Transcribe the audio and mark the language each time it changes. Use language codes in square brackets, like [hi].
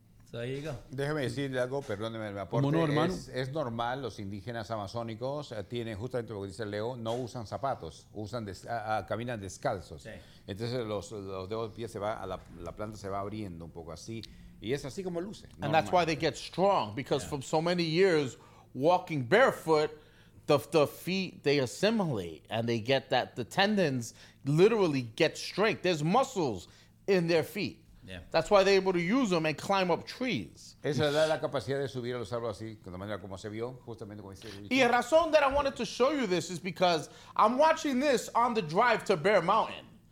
[en] So there you go. [es] Déjeme decirle algo, perdóneme, me aporte. ¿Cómo no, hermano? Es normal, los indígenas amazónicos tienen, justamente lo que dice Leo, no usan zapatos, caminan descalzos. Sí. Entonces los dedos del pie se va, la planta se va abriendo un poco así, y es así como luce. [en] And that's why they get strong, because from so many years walking barefoot, the feet, they assimilate, and they get that, the tendons literally get strength. There's muscles in their feet. Yeah. That's why they're able to use them and climb up trees. [es] Esa es la capacidad de subir a los árboles así, de la manera como se vio, justamente como dice. Y la razón [en] that I wanted to show you this is because I'm watching this on the drive to Bear Mountain.